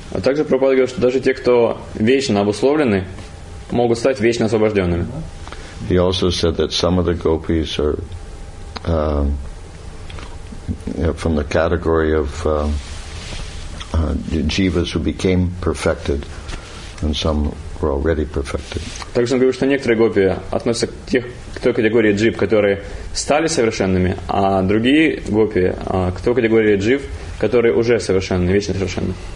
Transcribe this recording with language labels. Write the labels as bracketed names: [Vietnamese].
[Russian] А также Прабхупада говорит, что даже те, кто вечно обусловлены, могут стать вечно освобожденными. [English] He also said that some of the gopis are from the category of jivas who became perfected, and some were already perfected. [Russian] Также он говорит, что некоторые гопи относятся к тех, к той категории джив, которые стали совершенными, а другие гопи к той категории джив, которые уже совершенны, вечно совершенны.